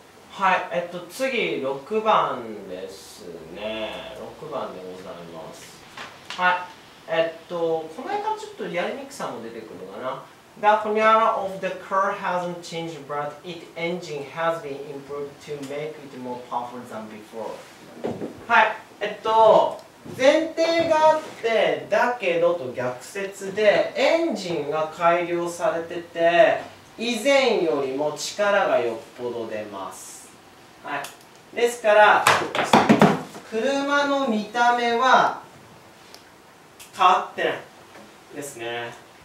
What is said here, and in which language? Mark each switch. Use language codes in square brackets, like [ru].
[ja] はい、次、6番ですね。 6番でございます。はい。この辺からちょっとやりにくさも出てくるかな。 [en] The formula of the car hasn't changed, but its engine has been improved to make it more powerful than before. [ja] はい、前提があって、だけどと逆説で、エンジンが改良されてて、以前よりも力がよっぽど出ます。はい、ですから、車の見た目は、変わってないですね。